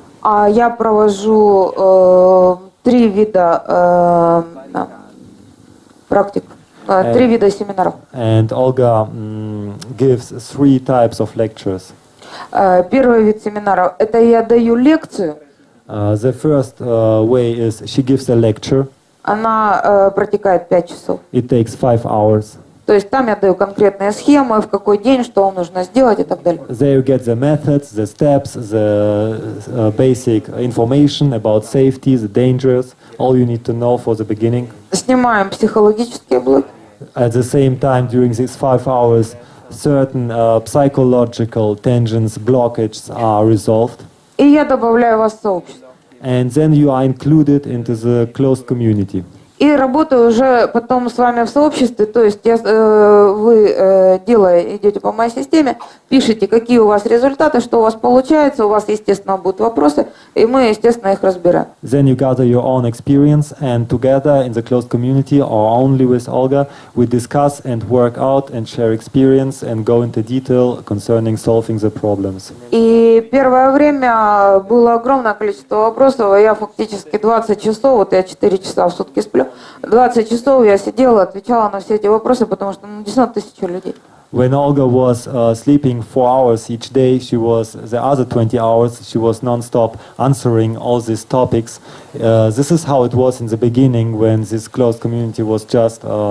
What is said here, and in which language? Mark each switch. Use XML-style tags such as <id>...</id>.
<ru>А я провожу три вида практик, три вида семинаров.</ru> <en>And Olga gives three types of lectures.</en> <ru>Первый вид семинаров — это я даю лекцию.</ru> <en>The first way is she gives a lecture.</en> <ru>Она протекает 5 часов.</ru> <en>It takes 5 hours.</en> <ru>То есть там я даю конкретные схемы, в какой день, что вам нужно сделать и так далее.</ru> <en>There you get the methods, the steps, the basic information about safety, the dangers, all you need to know for the beginning.</en> <ru>Снимаем психологические блоки.</ru> <en>At the same time, during these 5 hours, certain psychological tensions, blockages are resolved.</en> <ru>И я добавляю вас в сообщество.</ru> <en>And then you are included into the closed community.</en> <ru>И работаю уже потом с вами в сообществе, то есть вы идете по моей системе, пишите, какие у вас результаты, что у вас получается, у вас, естественно, будут вопросы, и мы, естественно, их разберем.</ru> <en>Then you gather your own experience, and together in the closed community, or only with Olga, we discuss and work out and share experience and go into detail concerning solving the problems.</en> <ru>И первое время было огромное количество вопросов, я фактически 20 часов, вот я 4 часа в сутки сплю, 20 часов я сидела, отвечала на все эти вопросы, потому что десятки тысяч людей.</ru> <en>When Olga was sleeping 4 hours each day, she was the other 20 hours. She was non-stop answering all these topics. This is how it was in the beginning when this closed community was just</en>